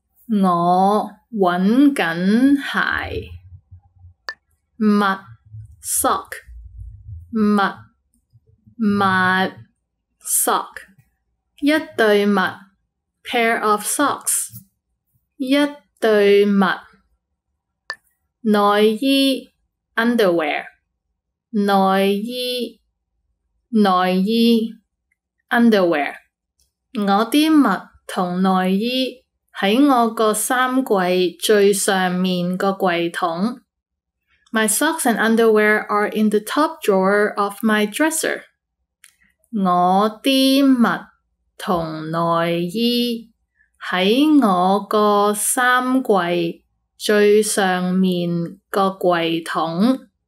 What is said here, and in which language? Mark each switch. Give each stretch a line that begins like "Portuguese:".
Cantonese: 我揾緊鞋，襪 ，sock， 襪，襪 ，sock， 一對襪 ， pair of socks，一對襪，內衣 ，underwear， 內衣，內衣 ，underwear， 我啲襪同內衣。在我的衫柜最上面的柜桶。
English: My socks and underwear are in the top drawer of my dresser.
Cantonese: 我的襪和內衣在我的衫柜最上面的柜桶。